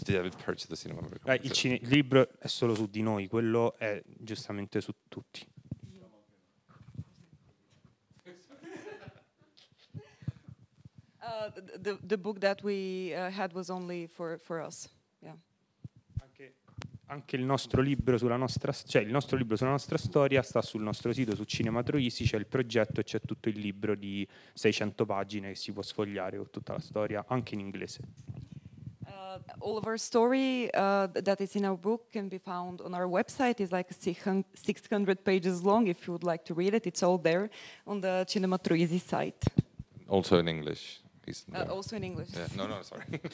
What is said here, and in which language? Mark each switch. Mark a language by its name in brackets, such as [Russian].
[English] Did I purchase the Cinema America? [Italian] Il libro è solo su di noi. Quello è giustamente su tutti. [English] The book that we had was only for us. [Italian] Anche il nostro libro sulla nostra, cioè il nostro libro sulla nostra storia sta sul nostro sito, su Cinema Troisi, c'è il progetto e c'è tutto il libro di 600 pagine che si può sfogliare con tutta la storia, anche in inglese. [English] All of our story that is in our book can be found on our website. It's like 600 pages long. If you would like to read it, it's all there on the Cinema Troisi site. Also in English. Also in English. Yeah. No, sorry.